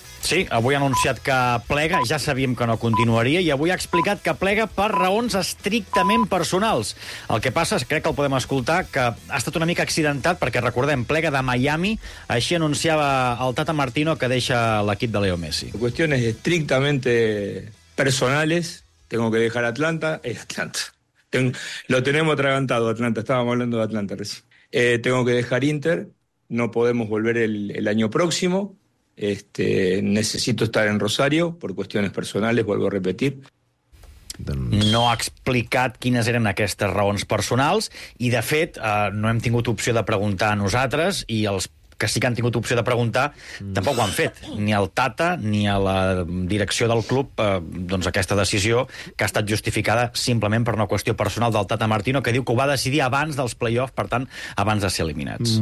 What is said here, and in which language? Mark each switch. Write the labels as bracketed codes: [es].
[ca] Sí, avui ha anunciat que plega, ja sabíem que no continuaria, i avui ha explicat que plega per raons estrictament personals. El que passa, crec que el podem escoltar, que ha estat una mica accidentat, perquè recordem, plega de Miami, així anunciava el Tata Martino que deixa l'equip de Leo Messi. [es] Cuestiones estrictamente personales, tengo que dejar Atlanta, lo tenemos atragantado, Atlanta, estábamos hablando de Atlanta recién. Tengo que dejar Inter, no podemos volver el año próximo. Necesito estar en Rosario por cuestiones personales, vuelvo a repetir. [ca] No ha explicat quines eren aquestes raons personals i, de fet, no hem tingut opció de preguntar a nosaltres i els que sí que han tingut opció de preguntar tampoc ho han fet, ni al Tata ni a la direcció del club, doncs aquesta decisió que ha estat justificada simplement per una qüestió personal del Tata Martino, que diu que ho va decidir abans dels play-offs, per tant, abans de ser eliminats.